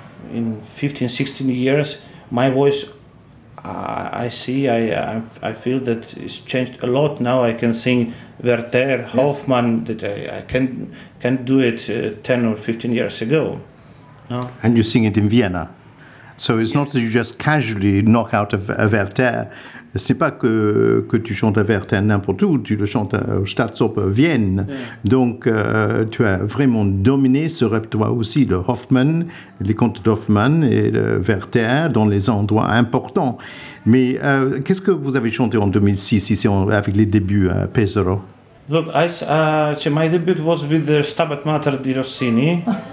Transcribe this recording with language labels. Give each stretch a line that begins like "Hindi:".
English: In 15, 16 years, my voice. I feel that it's changed a lot. Now I can sing Werther, Hoffmann, that I can't do it 10 or 15 years ago. No? And you sing it in Vienna. So it's not that you just casually knock out a Werther.
French: C'est pas que tu chantes à Werther n'importe où, tu le chantes au Staatsoper Vienne. Yeah. Donc tu as vraiment dominé ce répertoire aussi, le Hoffmann, les contes d'Hoffmann et le Werther dans les endroits importants. Mais qu'est-ce que vous avez chanté en 2006 ici avec les débuts à Pesaro?
English: Look, my debut was with the Stabat Mater di Rossini.